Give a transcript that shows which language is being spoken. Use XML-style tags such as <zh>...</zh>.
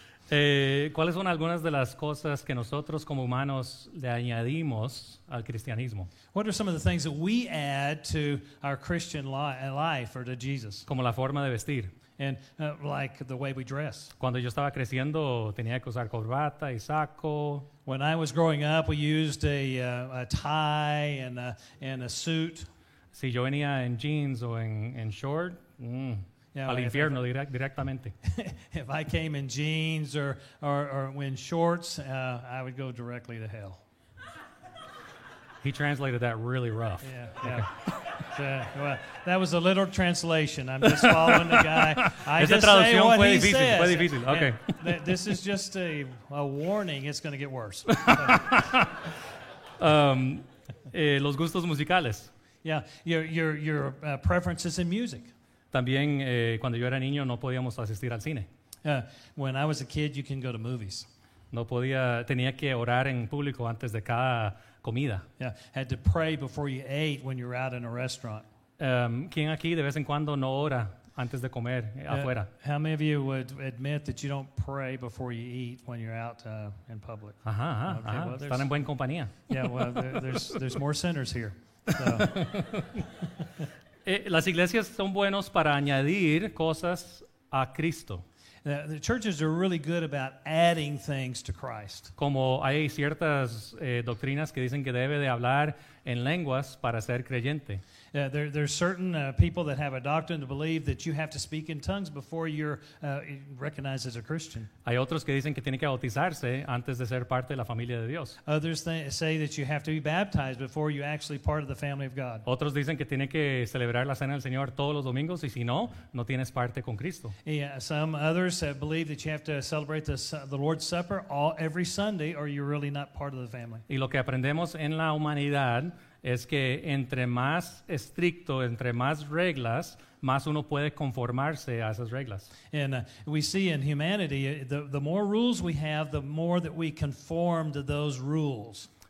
<es>¿Cuáles son algunas de las cosas que nosotros como humanos le añadimos al cristianismo?</es> <en>What are some of the things that we add to our Christian life or to Jesus?</en> <es>Como la forma de vestir.</es> <en>And like the way we dress.</en> <es>Cuando yo estaba creciendo tenía que usar corbata y saco.</es> <en>When I was growing up, we used a tie and a suit.</en> <es>Si yo venía en jeans o en short, yeah, al infierno directamente.</es> <en>If I came in jeans or in shorts, I would go directly to hell. He translated that really rough. Yeah. Okay. Yeah. Well, that was a literal translation. I'm just following the guy. I just say what he</en> <es>difícil,</es> <en>says.</en> <es>Fue difícil. Okay.</es> <en>This is just a warning. It's going to get worse. So.</en> <es>Los gustos musicales.</es> <en>Yeah, your preferences in music.</en> <es>También cuando yo era niño no podíamos asistir al cine.</es> <en>When I was a kid, you can go to movies.</en> <es>No podía, tenía que orar en público antes de cada comida.</es> <en>Yeah, had to pray before you ate when you're out in a restaurant.</en> <es>¿Quién aquí de vez en cuando no ora antes de comer afuera.</es> <en>How many of you would admit that you don't pray before you eat when you're out in public?</en> <es>Ajá, ajá, okay, ajá. Well, están en buena compañía.</es> <en>Yeah, well, there's more sinners here.</en> <es>Las iglesias son buenos para añadir cosas a Cristo.</es> <en>The churches are really good about adding things to Christ.</en> <es>Como hay ciertas doctrinas que dicen que debe de hablar en lenguas para ser creyente.</es> <en>Yeah, there's certain people that have a doctrine to believe that you have to speak in tongues before you're recognized as a Christian.</en> <es>Hay otros que dicen que tiene que bautizarse antes de ser parte de la familia de Dios.</es> <en>Others say that you have to be baptized before you're actually part of the family of God.</en> <es>Otros dicen que tiene que celebrar la cena del Señor todos los domingos y si no, no tienes parte con Cristo.</es> <en>Yeah, some others believe that you have to celebrate the Lord's Supper every Sunday or you're really not part of the family.</en> <es>Y lo que aprendemos en la humanidad es que entre más estricto, entre más reglas, más uno puede conformarse a esas reglas.</es> <en>And we see in humanity, the more rules we have, the more that we conform to those rules.</en>